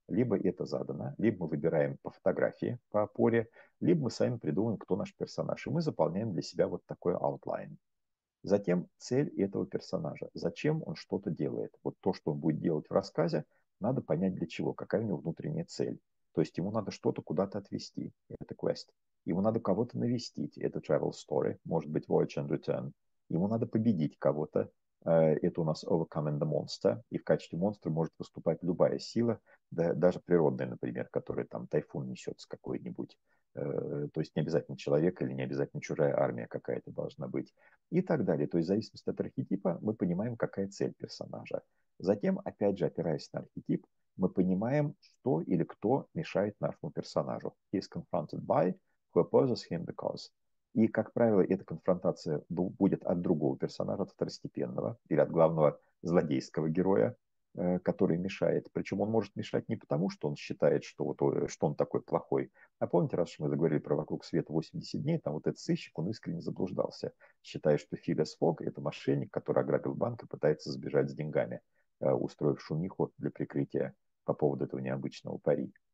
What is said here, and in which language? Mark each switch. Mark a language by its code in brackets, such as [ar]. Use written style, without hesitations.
[ru] Либо это задано, либо мы выбираем по фотографии, по опоре, либо мы сами придумываем, кто наш персонаж. И мы заполняем для себя вот такой outline. Затем цель этого персонажа. Зачем он что-то делает? Вот то, что он будет делать в рассказе, надо понять для чего, какая у него внутренняя цель. То есть ему надо что-то куда-то отвезти. Это квест. Ему надо кого-то навестить. Это travel story. Может быть, voyage and return. Ему надо победить кого-то. Это у нас overcoming the monster. И в качестве монстра может выступать любая сила, да, даже природная, например, которая там тайфун несется какой-нибудь. То есть не обязательно человек или не обязательно чужая армия какая-то должна быть. И так далее. То есть в зависимости от архетипа мы понимаем, какая цель персонажа. Затем, опять же, опираясь на архетип, мы понимаем, что или кто мешает нашему персонажу. [en] He is confronted by, who opposes him because. [ru] И, как правило, эта конфронтация будет от другого персонажа, от второстепенного или от главного злодейского героя, который мешает. Причем он может мешать не потому, что он считает, что он такой плохой. А помните, раз мы заговорили про «Вокруг света 80 дней», там вот этот сыщик, он искренне заблуждался, считая, что Филлис Фогг — это мошенник, который ограбил банк и пытается сбежать с деньгами, устроив шумиху для прикрытия по поводу этого необычного пари.